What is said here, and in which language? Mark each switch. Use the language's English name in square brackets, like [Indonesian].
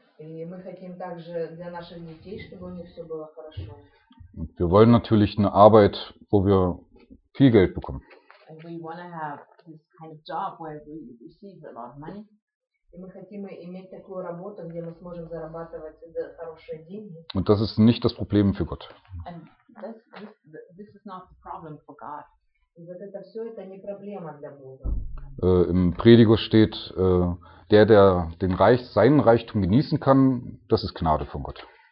[Russian] И мы хотим также для наших детей, чтобы у них все было хорошо. [German] Wir wollen natürlich eine Arbeit, wo wir viel Geld bekommen. [English] And we want to have this kind of job where we receive a lot of money. [Russian] И мы хотим иметь такую работу, где мы сможем зарабатывать хорошие деньги. [German] Und das ist nicht das Problem für Gott. [English] And this is not the problem for God. [Russian] И вот это все это не проблема для Бога. [German] Im Prediger steht, der den Reich, seinen Reichtum genießen kann, das ist Gnade von Gott.